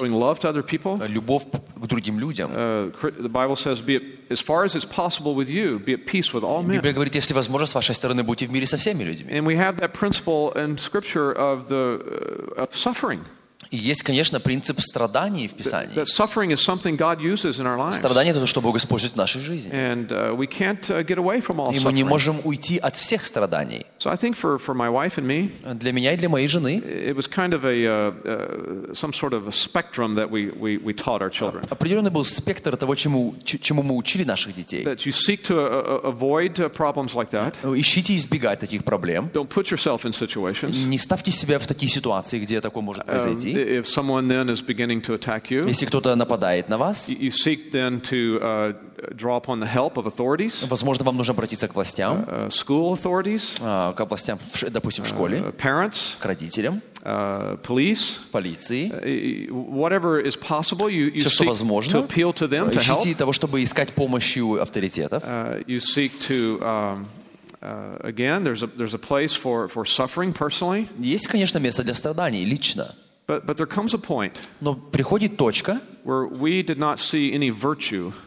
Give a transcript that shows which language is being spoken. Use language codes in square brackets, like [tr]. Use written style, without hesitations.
[en] And showing love to other people. [ru] Любовь к другим людям. [en] The Bible says, "Be as far as it's possible with you, be at peace with all men." [ru] Библия говорит, если возможно, с вашей стороны будьте в мире со всеми людьми. [en] And we have that principle in Scripture of the of suffering. [ru] И есть, конечно, принцип страданий в Писании. [en] That suffering is something God uses in our lives. [ru] Страдание — это то, что Бог использует в нашей жизни. [en] And we can't get away from all [ru] suffering. И мы не можем уйти от всех страданий. [en] So I think for my wife and me. [ru] Для меня и для моей жены. [en] It was kind of a some sort of a spectrum that we taught our children. [ru] Определенный был спектр того, чему мы учили наших детей. [en] That you seek to avoid problems like that. [ru] Ищите избегать таких проблем. [en] Don't put yourself in situations. [ru] Не ставьте себя в такие ситуации, где такое может произойти. [en] If someone then is beginning to attack you, [ru] если кто-то нападает на вас, [en] you seek then to draw upon the help of authorities. [ru] Возможно, вам нужно обратиться к властям. [en] School authorities. [ru] К властям, допустим, в школе. [en] Parents. [ru] К родителям. [en] Police. [ru] Полиции. [en] Whatever is possible, you [ru] все, [en] seek [ru] возможно, [en] to appeal to them to help. [ru] Того, чтобы искать помощи у авторитетов. [en] You seek to. Again, there's a place for suffering personally. [ru] Есть, конечно, место для страданий лично. [en] But there comes a point. [ru] Но приходит точка, [en] where we did not see any virtue.